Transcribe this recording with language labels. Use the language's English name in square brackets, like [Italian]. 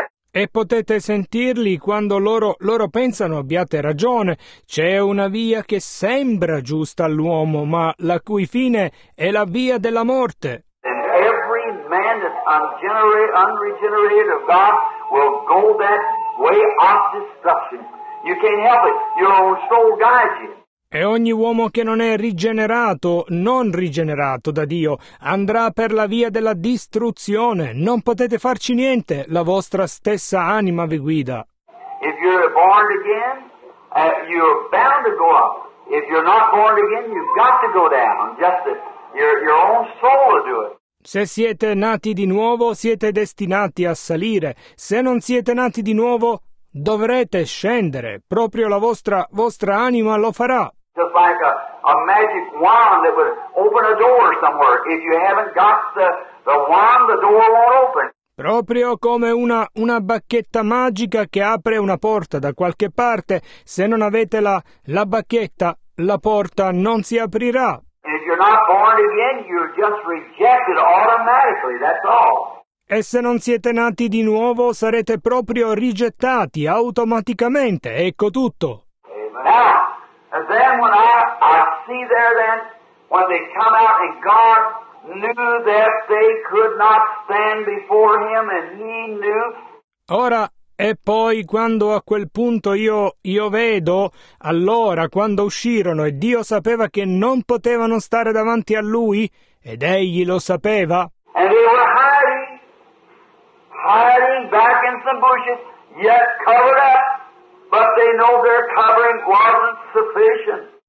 [Italian] E potete sentirli quando loro pensano abbiate ragione. C'è una via che sembra giusta all'uomo, ma la cui fine è la via della morte. [English] And every man that's unregenerated of God will go that way of destruction. You can't help it. Your own soul guides you. [Italian] E ogni uomo che non è rigenerato, non rigenerato da Dio, andrà per la via della distruzione. Non potete farci niente. La vostra stessa anima vi guida. [English] If you're born again, you're bound to go up. If you're not born again, you've got to go down. Just that your own soul will do it. [Italian] Se siete nati di nuovo, siete destinati a salire. Se non siete nati di nuovo, dovrete scendere. Proprio la vostra anima lo farà. [English] Just like a magic wand that would open a door somewhere. If you haven't got the wand, the door won't open. [Italian] Proprio come una bacchetta magica che apre una porta da qualche parte. Se non avete la bacchetta, la porta non si aprirà. [English] If you're not born again, you're just rejected automatically, that's all. [Italian] E se non siete nati di nuovo, sarete proprio rigettati automaticamente. Ecco tutto. Amen. [English] Now, then when I see there then, when they come out and God knew that they could not stand before him and he knew. [Italian] Ora, e poi quando a quel punto io vedo, allora quando uscirono e Dio sapeva che non potevano stare davanti a lui, ed egli lo sapeva. [English] And they were hiding back in some bushes, yet covered up, but they know their covering wasn't sufficient.